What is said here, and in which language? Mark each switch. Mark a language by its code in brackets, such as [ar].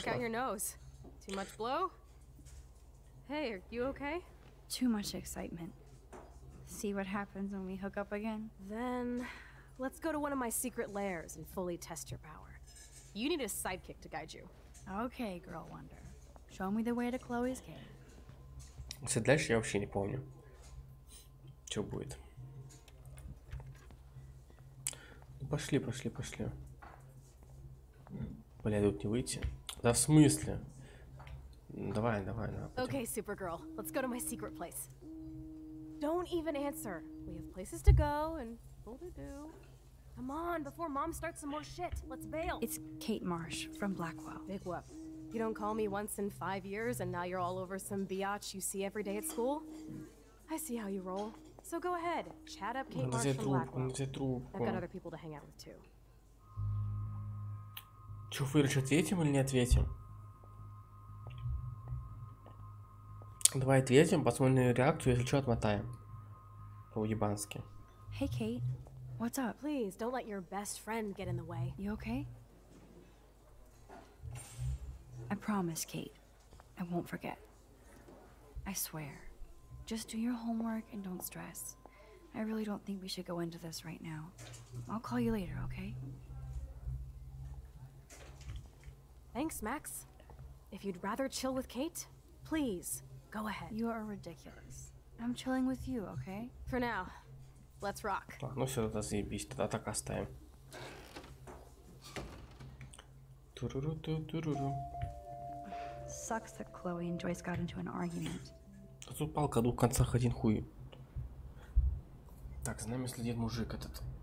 [en] Check out your nose. Too much blow? Hey, are you okay? Too much excitement. See what happens when we hook up again? Then, let's go to one of my secret lairs and fully test your power. You need a sidekick to guide you. Okay, girl wonder. Show me the way to Chloe's cave. [ru] Если дальше, я вообще не помню, что будет. Пошли, пошли, пошли. Бля, тут не выйти. Да в смысле? Давай, давай, давай. [en] Okay, Supergirl, let's go to my secret place. Don't even answer. We have places to go and what to do. Come on, before Mom starts some more shit, let's bail. It's Kate Marsh from Blackwell. Big whoop. You don't call me once in 5 years and now you're all over some biatch you see every day at school? I see how you roll. So go ahead, chat up Kate Marsh from Blackwell. I've got other people to hang out with too. [ru] Че, Фырыч, ответим или не ответим? Давай ответим, посмотрим на ее реакцию, если что, отмотаем. По-уебански. [en] Hey, Kate, what's up? Please, don't let your best friend get in the way. You okay? I promise, Kate, I won't forget. I swear. Just do your homework and don't stress. I really don't think we should go into this right now. I'll call you later, okay? Thanks, Max. If you'd rather chill with Kate, please, go ahead. You are ridiculous. I'm chilling with you, okay? For now. Let's rock. [ru] Так, ну все, тогда заебись. Тогда так оставим. Ту-ру-ру-ту-ту-ру-ру. [en] Sucks that Chloe and Joyce got into an argument. [ru] Тут палка о двух концах, один хуй. Так, за нами следит мужик этот.